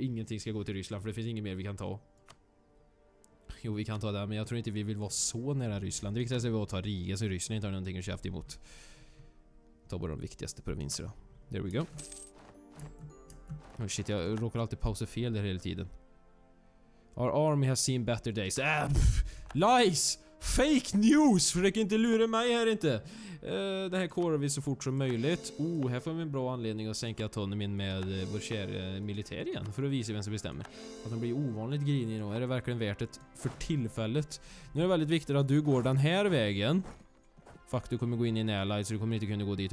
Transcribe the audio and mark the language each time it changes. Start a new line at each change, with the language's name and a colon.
Swedish: Ingenting ska gå till Ryssland för det finns inget mer vi kan ta. Jo, vi kan ta det, men jag tror inte vi vill vara så nära Ryssland. Det viktigaste är att vi tar Riga, så Ryssland inte har någonting att käfta emot. Ta bara de viktigaste provinserna.
English: There we go. Oh shit,
Swedish: jag råkar alltid pausa fel där hela tiden.
English: Our army has seen better days. Lies! Fake news!
Swedish: Försök inte lura mig här inte. Det här korar vi så fort som möjligt. Oh, här får vi en bra anledning att sänka tonen min med vår kära militär igen. För att visa vem som bestämmer. Att de blir ovanligt grinig nu. Är det verkligen värt det för tillfället? Nu är det väldigt viktigt att du går den här vägen. Fuck, du kommer gå in i en ally så du kommer inte kunna gå dit.